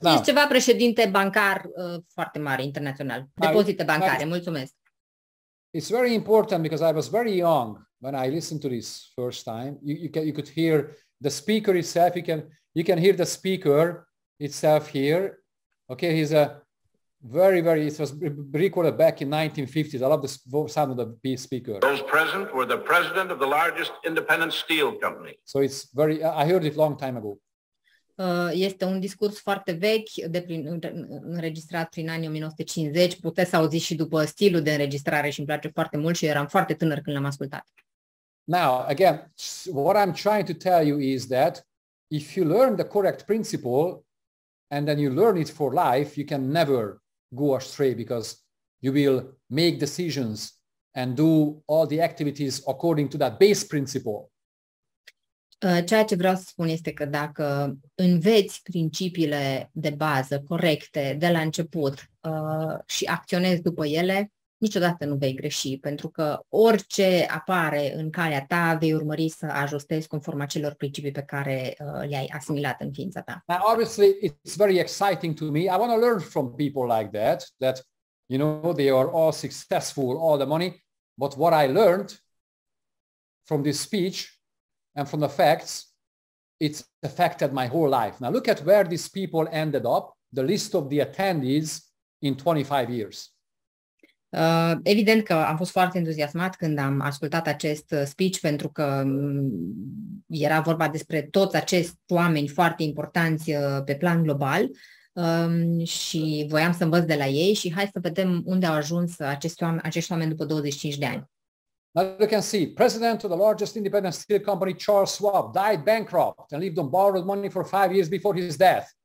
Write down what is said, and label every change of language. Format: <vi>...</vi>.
<ro>este ceva președinte bancar foarte mare, internațional. Depozite bancare, mulțumesc.</ro> <en>It's very important because I was very young when I listened to this first time. You could hear the speaker itself. You can You can hear the speaker itself here. Okay, he's a very, very, it was recorded back in 1950s. I love the sound of the speaker. Those present were the president of the largest independent steel company. So it's very, I heard it long time ago.</en> <ro>Este un discurs foarte vechi, de prin, înregistrat prin anii 1950, puteți auzi și după stilul de înregistrare și îmi place foarte mult și eram foarte tânăr când l-am ascultat.</ro> <en>Now, again, what I'm trying to tell you is that if you learn the correct principle and then you learn it for life, you can never go astray because you will make decisions and do all the activities according to that base principle.</en> <ro>Ceea ce vreau să spun este că dacă înveți principiile de bază corecte de la început și acționezi după ele, niciodată nu vei greși, pentru că orice apare în calea ta, vei urmări să ajustezi conform acelor principii pe care le-ai asimilat în ființa ta.</ro> <en>Now, obviously, it's very exciting to me. I want to learn from people like that, that, you know, they are all successful, all the money, but what I learned from this speech and from the facts, it's affected my whole life. Now look at where these people ended up, the list of the attendees in 25 years.</en> <ro>Evident că am fost foarte entuziasmat când am ascultat acest speech, pentru că era vorba despre toți acești oameni foarte importanți pe plan global și voiam să învăț de la ei și hai să vedem unde au ajuns acești oameni după 25 de ani.</ro> <en>Now you can see, president of the largest independent steel company, Charles Schwab, died bankrupt and lived on borrowed money for 5 years before his death.</en>